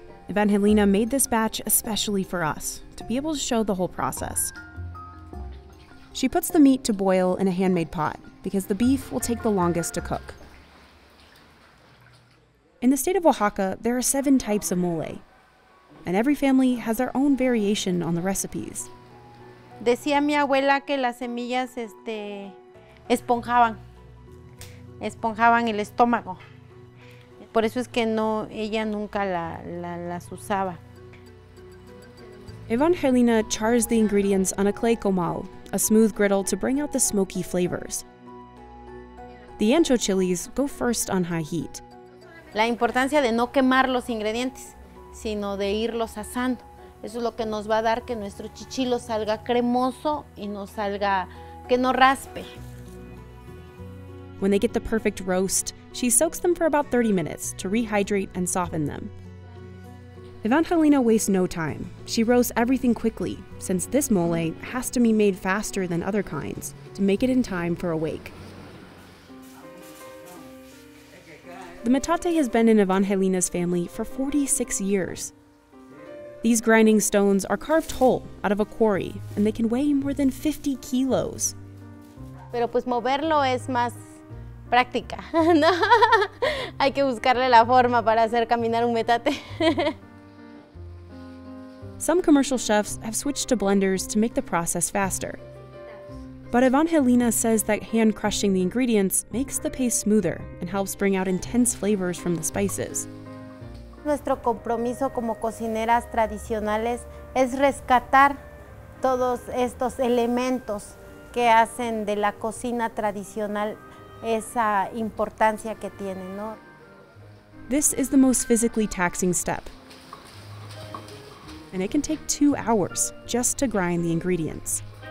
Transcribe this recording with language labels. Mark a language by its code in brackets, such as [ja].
[en] Evangelina made this batch especially for us to be able to show the whole process. She puts the meat to boil in a handmade pot because the beef will take the longest to cook. In the state of Oaxaca, there are 7 types of mole, and every family has their own variation on the recipes. [es] Decía mi abuela que las semillas esponjaban el estómago. Por eso es que no, ella nunca las usaba. [en] Evangelina chars the ingredients on a clay comal, a smooth griddle to bring out the smoky flavors. The ancho chilies go first on high heat. [es] La importancia de no quemar los ingredientes, sino de irlos asando. Eso es lo que nos va a dar que nuestro chichilo salga cremoso y no salga, que no raspe. [en] When they get the perfect roast, she soaks them for about 30 minutes to rehydrate and soften them. Evangelina wastes no time. She roasts everything quickly, since this mole has to be made faster than other kinds to make it in time for a wake. The metate has been in Evangelina's family for 46 years. These grinding stones are carved whole out of a quarry, and they can weigh more than 50 kilos. [es] Pero pues moverlo es más práctica, ¿no? Hay que buscarle la forma para hacer caminar un metate. [en] Some commercial chefs have switched to blenders to make the process faster. But Evangelina says that hand crushing the ingredients makes the paste smoother and helps bring out intense flavors from the spices. [es] Nuestro compromiso como cocineras tradicionales es rescatar todos estos elementos que hacen de la cocina tradicional esa importancia que tiene, ¿no? [en] This is the most physically taxing step. And it can take 2 hours just to grind the ingredients.